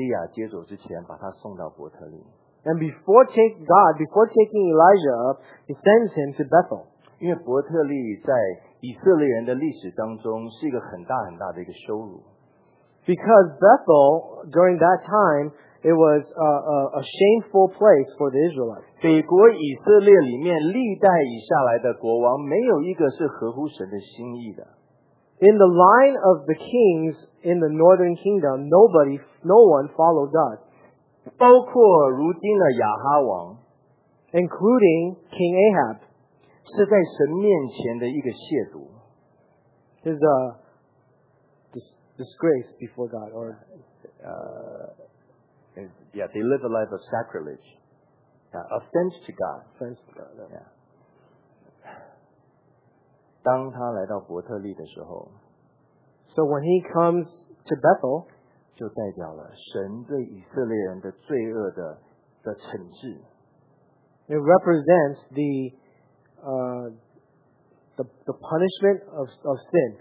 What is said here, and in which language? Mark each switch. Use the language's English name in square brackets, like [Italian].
[Chinese] 神在将以利亚接走之前把他送到伯特利。 [English] And before taking Elijah up, he sends him to Bethel. [Chinese] 因为伯特利在以色列人的历史当中是一个很大很大的一个羞辱。 [English] Because Bethel, during that time, it was a shameful place for the Israelites. [Chinese] 北国以色列里面历代以下来的国王没有一个是合乎神的心意的。 [English] In the line of the kings in the northern kingdom, no one followed God. [Chinese] 包括如今的亚哈王, [English] including King Ahab, [Chinese] 是在神面前的一个亵渎, [English] is a disgrace before God, or they live a life of sacrilege, offense to God. Yeah. [Chinese] 当他来到伯特利的时候, [English] so when he comes to Bethel, [Chinese] 就代表了神对以色列人的罪恶的惩治。It [English] represents the punishment of sin.